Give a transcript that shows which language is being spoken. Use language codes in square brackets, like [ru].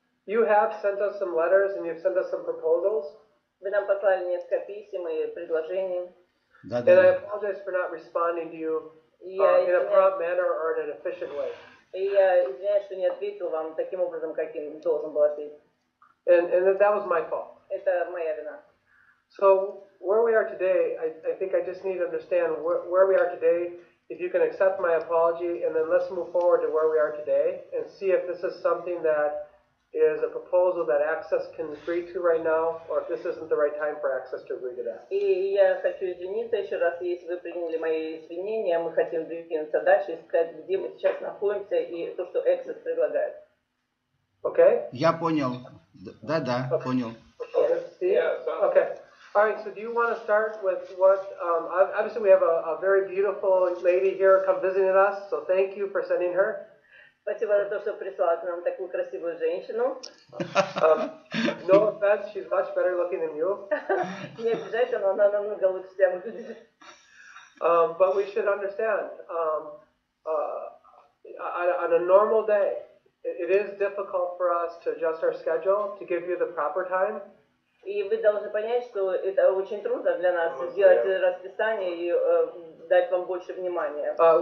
[en] You have sent us some letters and you've sent us some proposals. [ru] Вы нам послали несколько писем и предложений. [en] And I apologize for not responding to you in a prompt manner or in an efficient way. [ru] И я извиняюсь, что не ответил вам таким образом, каким должен был ответить. [en] And that was my fault. [ru] Это моя вина. [en] So where we are today, I think I just need to understand where we are today. If you can accept my apology, and then let's move forward to where we are today, and see if this is something that is a proposal that Access can agree to right now, or if this isn't the right time for Access to agree to that. [ru] И я хочу извиниться еще раз, если вы приняли мои извинения, мы хотим двигаться дальше и сказать, где мы сейчас находимся и то, что Access предлагает. [en] Okay? [ru] Я понял. Да, понял. [en] Okay. All right. So, do you want to start with what? Obviously, we have a very beautiful lady here come visiting us. So, thank you for sending her. [ru] Спасибо за то, что прислала к нам такую красивую женщину. [en] No offense, she's much better looking than you. [ru] Не обижайся, но она намного лучше тебя выглядит. [en] But we should understand. On a normal day, it is difficult for us to adjust our schedule to give you the proper time. [ru] И вы должны понять, что это очень трудно для нас сделать расписание и дать вам больше внимания.